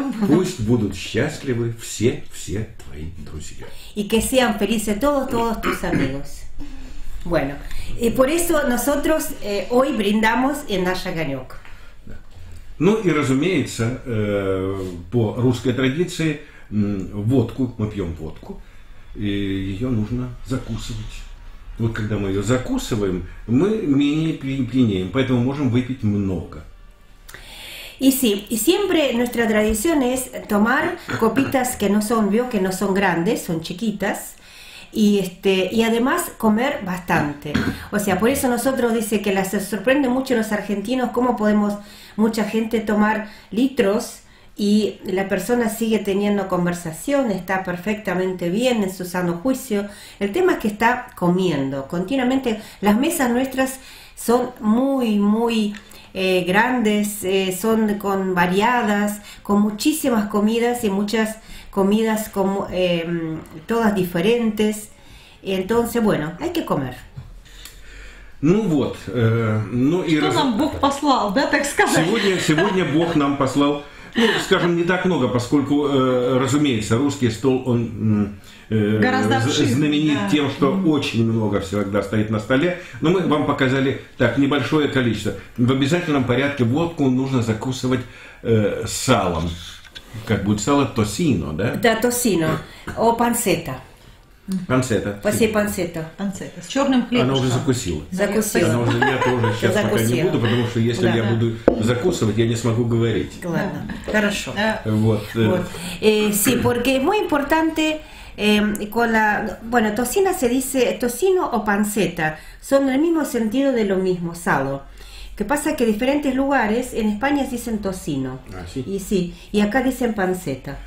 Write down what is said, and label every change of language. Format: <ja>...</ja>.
<ru>пусть будут счастливы все твои друзья,</ru> <es>y que sean felices todos tus amigos. Bueno, y por eso nosotros hoy brindamos en наш огонёк.</es> <ru>Ну и разумеется, по русской традиции водку мы пьем, водку, и ее нужно закусывать. Вот когда мы ее закусываем, мы менее пьянеем, поэтому можем выпить много.</ru> <es>Y sí, y siempre nuestra tradición es tomar copitas que no son, vio, que no son grandes, son chiquitas, y este, y además comer bastante. O sea, por eso nosotros dice que las sorprende mucho los argentinos cómo podemos mucha gente tomar litros y la persona sigue teniendo conversación, está perfectamente bien en su sano juicio. El tema es que está comiendo continuamente. Las mesas nuestras son muy, muy grandes, son con variadas, con muchísimas comidas y muchas comidas con, todas diferentes. Entonces, bueno, hay que comer.</es> <ru>Ну вот. Ну что и раз... нам Бог послал, да, так сказать? Сегодня Бог нам послал, ну, скажем, не так много, поскольку, разумеется, русский стол, он знаменит тем, что очень много всегда стоит на столе. Но мы вам показали так, небольшое количество. В обязательном порядке водку нужно закусывать салом. Как будет сало? Тосино, да? Да, тосино. О, панцета. Панцета. Спасибо, панцета. Панцета. С черным хлебом. Она уже закусила. Закусила. Она уже, я тоже сейчас пока не буду, потому что если я буду закусывать, я не смогу говорить. Ладно. Хорошо. Вот.</ru> <es>Sí, porque es muy importante. Con la, bueno, tocina se dice tocino o panceta, son el mismo sentido de lo mismo, salo. Que pasa que diferentes lugares en España dicen tocino. Ah, sí. Y sí, y acá dicen panceta.</es>